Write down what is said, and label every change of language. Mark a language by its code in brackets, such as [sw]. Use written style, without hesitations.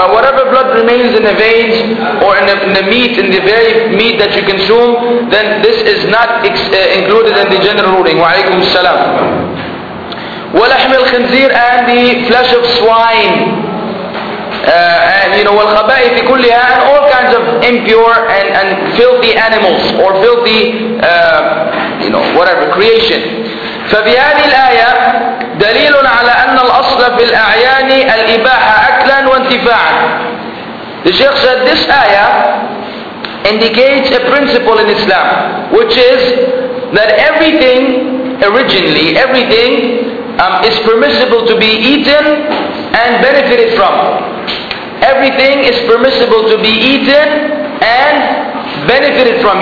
[en] But whatever blood remains in the veins or in the meat, in the very meat that you consume, then this is not included in the general ruling. [ar] Wa alaykum salam. ولحم الخنزير, [en] and the flesh of swine. And you know, [ar] والخبائث كلها, [en] and all kinds of impure and filthy animals or filthy, you know, whatever creation. [ar] فبهذه الآية دليل على أن الأصل في الأعيان الإباحة أكلا وانتفاعا. [en] The Sheikh said this ayah indicates a principle in Islam, which is that everything originally, everything is permissible to be eaten and benefited from. Everything is permissible to be eaten and benefited from.